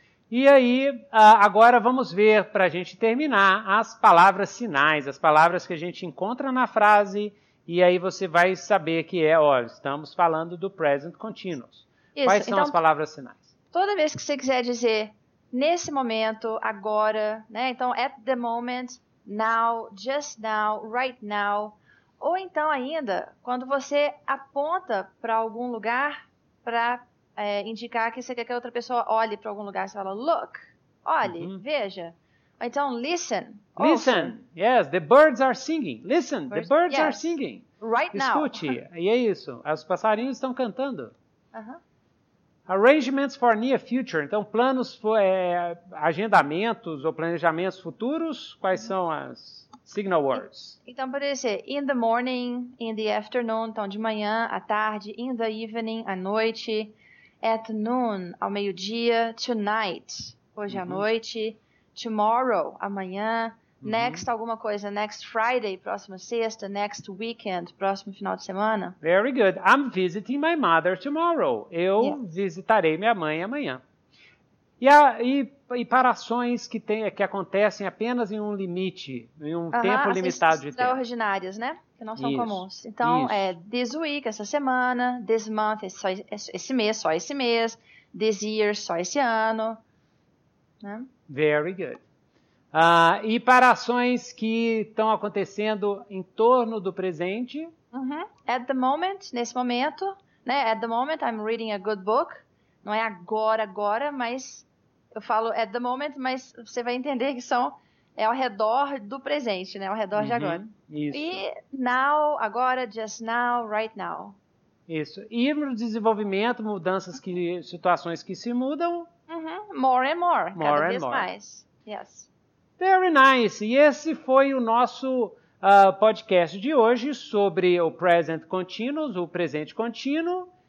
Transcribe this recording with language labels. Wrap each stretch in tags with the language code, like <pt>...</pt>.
<pt>E aí, agora vamos ver, para a gente terminar, as palavras sinais, as palavras que a gente encontra na frase, e aí você vai saber que estamos falando do present continuous. Isso. Quais são então, as palavras sinais? Toda vez que você quiser dizer nesse momento, agora, né?</pt> <en>Então, at the moment, now, just now, right now.</en> <pt>Ou então ainda, quando você aponta para algum lugar para indicar que você quer que a outra pessoa olhe para algum lugar. Você fala, look, olhe, uhum. veja. Ou então, listen.</pt> <en>Listen,</en> <pt>ouça.</pt> <en>Yes, the birds are singing. Listen, the birds yes. are singing. Right</en> <pt>Escute.</pt> <en>Now.</en> <pt>Escute, e é isso. Os passarinhos estão cantando. Uhum.</pt> <en>Arrangements for near future.</en> <pt>Então, planos, agendamentos ou planejamentos futuros, quais são as signal words? Então, poderia ser</pt> <en>in the morning, in the afternoon,</en> <pt>então de manhã, à tarde,</pt> <en>in the evening,</en> <pt>à noite,</pt> <en>at noon,</en> <pt>ao meio-dia, tonight, hoje uhum. à noite, tomorrow, amanhã, uhum. next alguma coisa,</pt> <en>next Friday,</en> <pt>próxima sexta,</pt> <en>next weekend,</en> <pt>próximo final de semana.</pt> <en>Very good. I'm visiting my mother tomorrow.</en> <pt>Eu visitarei minha mãe amanhã. E para ações que acontecem apenas em um limite, em um tempo limitado de tempo. Extraordinárias, né? Que não são Isso. comuns. Então, Isso.</pt> <en>This week,</en> <pt>essa semana,</pt> <en>this month,</en> <pt>esse mês, só esse mês,</pt> <en>this year,</en> <pt>só esse ano. Né?</pt> <en>Very good.</en> <pt>E para ações que estão acontecendo em torno do presente? Uhum.</pt> <en>At the moment,</en> <pt>nesse momento, né?</pt> <en>At the moment, I'm reading a good book.</en> <pt>Não é agora, mas eu falo</pt> <en>at the moment,</en> <pt>mas você vai entender que é ao redor do presente, né? Ao redor uhum. de agora. Isso. E now, agora,</pt> <en>just now, right now.</en> <pt>Isso. E no desenvolvimento, mudanças, situações que se mudam?</pt> <en>Uhum. More and more. More</en> <pt>cada</pt> <en>and</en> <pt>vez</pt> <en>more.</en> <pt>Mais.</pt> <en>Yes. Very nice.</en> <pt>E esse foi o nosso podcast de hoje sobre o present continuous, o presente contínuo.</pt>